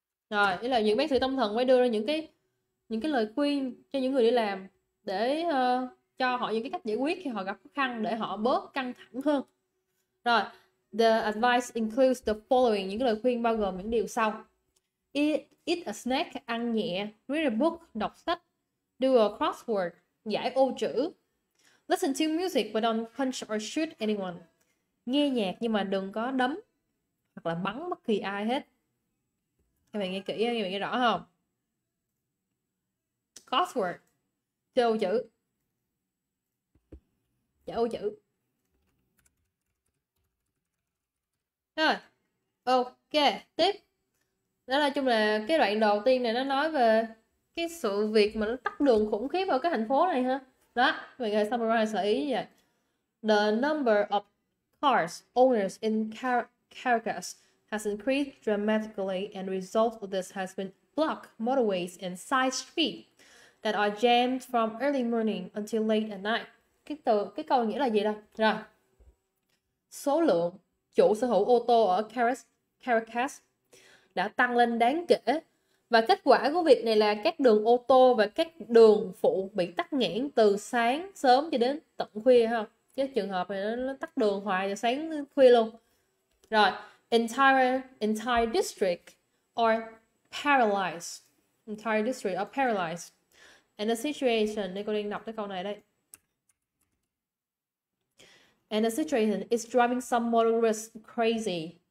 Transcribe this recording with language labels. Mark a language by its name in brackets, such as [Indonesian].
[Vietnamese] Rồi, ý là những bác sĩ tâm thần mới đưa ra những cái lời khuyên cho những người đi làm để cho họ những cái cách giải quyết khi họ gặp khó khăn để họ bớt căng thẳng hơn. Rồi, [English] the advice includes the following. [Vietnamese] Những cái lời khuyên bao gồm những điều sau. [English] Eat a snack, [Vietnamese] ăn nhẹ. [English] Read a book, [Vietnamese] đọc sách. [English] Do a crossword, [Vietnamese] giải ô chữ. [English] Listen to music, but don't punch or shoot anyone. [Vietnamese] Nghe nhạc nhưng mà đừng có đấm hoặc là bắn bất kỳ ai hết. Các bạn nghe kỹ, các bạn nghe rõ không? Crossword, chơi ô chữ. Giải ô chữ. Rồi, ok, tiếp. Đó là chung là cái đoạn đầu tiên này nó nói về cái sự việc mà nó tắc đường khủng khiếp ở cái thành phố này ha. Đó, mình nghe summarize là ý vậy. [English] The number of cars owners in Caracas has increased dramatically and result of this has been blocked motorways and side streets that are jammed from early morning until late at night. [Vietnamese] Cái câu nghĩa là gì đây? Rồi, số lượng chủ sở hữu ô tô ở Caracas đã tăng lên đáng kể và kết quả của việc này là các đường ô tô và các đường phụ bị tắc nghẽn từ sáng sớm cho đến tận khuya ha. cái trường hợp này nó tắt đường hoài từ sáng đến khuya luôn. Rồi, [English] entire district are paralyzed. Entire district are paralyzed. And the situation, [Vietnamese] đây cô đang đọc cái câu này đây. [English] And the situation is driving some motorists crazy.